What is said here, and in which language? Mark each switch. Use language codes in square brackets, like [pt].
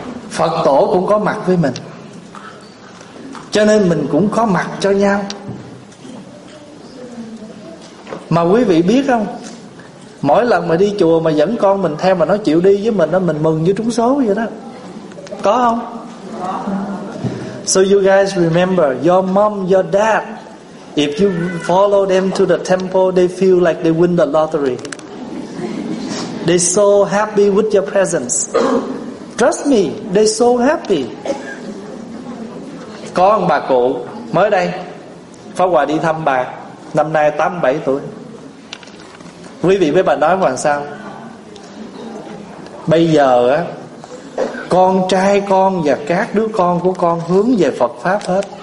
[vi] Phật Tổ cũng có mặt với mình, cho nên mình cũng có mặt cho nhau. Mà quý vị biết không, mỗi lần mà đi chùa mà dẫn con mình theo mà nó chịu đi với mình đó, mình mừng như trúng số vậy đó. Có không? [en] So you guys remember, your mom, your dad, if you follow them to the temple, they feel like they win the lottery. They so happy with your presence. Trust me, they so happy. [vi] Có ông bà cụ mới đây, Pháp Hòa đi thăm bà, năm nay 87 tuổi. Quý vị với bà nói làm sao? Bây giờ á, con trai con và các đứa con của con hướng về Phật Pháp hết.